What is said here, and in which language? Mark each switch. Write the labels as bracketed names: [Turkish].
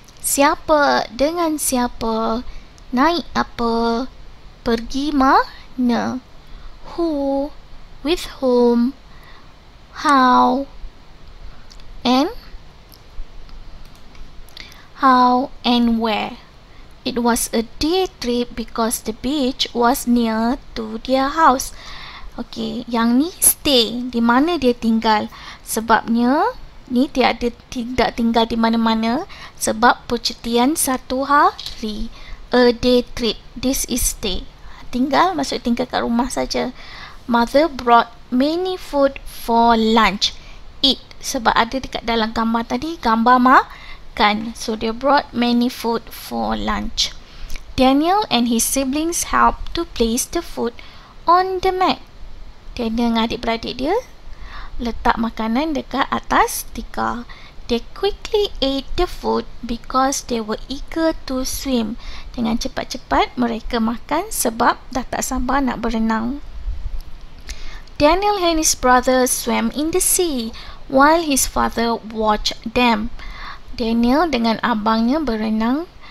[Malay] Siapa, dengan siapa, naik apa, pergi mana. [English] Who, with whom, how, and how and where. It was a day trip because the beach was near to their house. [Malay] Okay, yang ni stay, di mana dia tinggal. Sebabnya ni tiada, tidak tinggal di mana-mana sebab percutian satu hari. [English] A day trip, this is stay. [Malay] Tinggal, maksud tinggal kat rumah saja. [English] Mother brought many food for lunch. [Malay] Eat, sebab ada dekat dalam gambar tadi, gambar makan. [English] So they brought many food for lunch. Daniel and his siblings helped to place the food on the mat. [Malay] Daniel dengan adik-beradik dia letak makanan dekat atas tikar. [English] They quickly ate the food because they were eager to swim. [Malay] Dengan cepat-cepat mereka makan sebab dah tak sabar nak berenang. [English] Daniel and his brother swam in the sea while his father watched them. [Malay] Daniel dengan abangnya berenang.